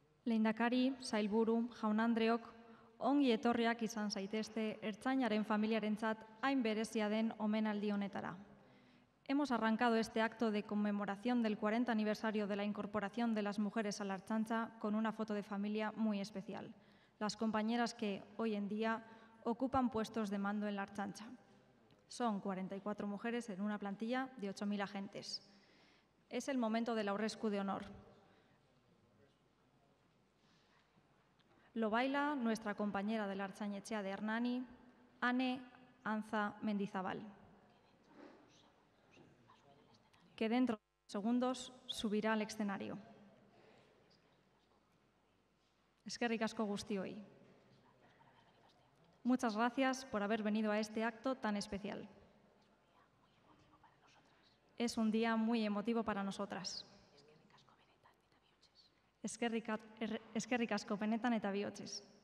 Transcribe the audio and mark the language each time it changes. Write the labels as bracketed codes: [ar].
[eu] Lehendakari, sailburu, jaun andreok, ongi etorriak izan zaitezte ertzainaren familiarentzat hain berezia den omenaldi honetara. [es] Hemos arrancado este acto de conmemoración del 40 aniversario de la incorporación de las mujeres a la Ertzaintza con una foto de familia muy especial. Las compañeras que, hoy en día, ocupan puestos de mando en la Ertzaintza. Son 44 mujeres en una plantilla de 8.000 agentes. Es el momento del aurresku de honor. Lo baila nuestra compañera de la Ertzainetxea de Hernani, Ane Anza Mendizabal. Que dentro de segundos subirá al escenario. [eu] Eskerrik asko guztioi. [es] Muchas gracias por haber venido a este acto tan especial. Es un día muy emotivo para nosotras. [eu] Eskerrik asko benetan eta bihotzez.